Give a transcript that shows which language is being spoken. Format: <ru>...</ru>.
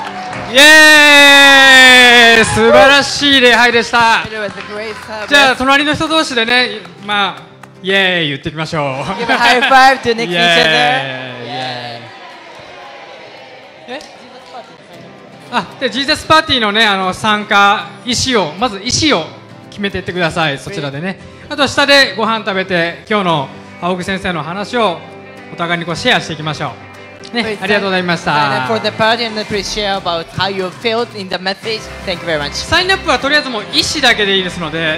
<ja>素晴らしい礼拝でした。じゃあ隣の人同士でね、まあイエーイ言っていきましょう。</ja> <en>Give a high five to Nick Fisher.</en> <ja>で、ジーザスパーティーのね、あの参加意思を、まず意思を決めていってください。そちらでね、あと下でご飯食べて今日の青木先生の話をお互いにこうシェアしていきましょうね。ありがとうございました。</ja> <en>For the party and please share about how you felt in the message. Thank you very much.</en> <ja>サインアップはとりあえずもう意思だけでいいですので。</ja>